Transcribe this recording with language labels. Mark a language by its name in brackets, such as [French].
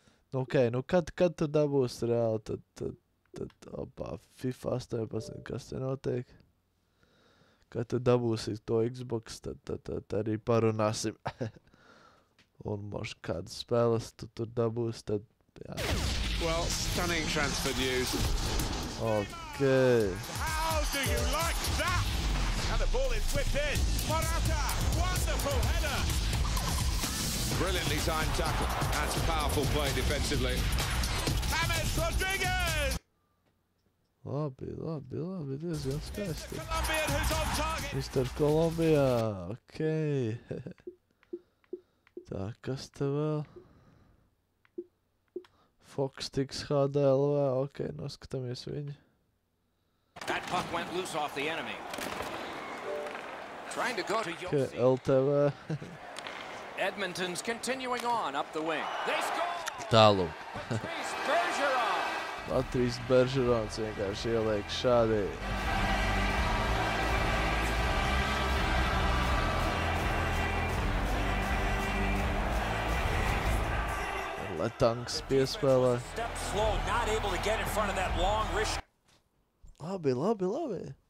[Latvian] Nu, okej, okay, nu kad tu dabūsi reāli, tad opā, FIFA 18, kas te noteik? Kad tu dabūsi to Xbox, tad arī parunāsim. Un moš kādas spēles tu tur dabūsi, tad jā. [English] Well, stunning transfer news. Okej. Okay. How do you like that? And the ball is whipped in. Morata, wonderful header. Brilliantly timed tackle. That's a powerful play defensively. James Rodriguez. Lobby. This is good. Mr. Colombian who's on target. Mr. Colombia. Okay. [Latvian] Tā, kas te vēl? Fox Sticks HDLV. Okay, noskatāmies viņu. [English] That puck went loose off the enemy. Trying to go to your okay, LTV. Edmonton's continuing on up the wing. They score. Talu. Bergeron. [Latvian] Patrīs Beržerons vienkārši ieliek šādi. Letangs piespēlē. Labi, labi, labi.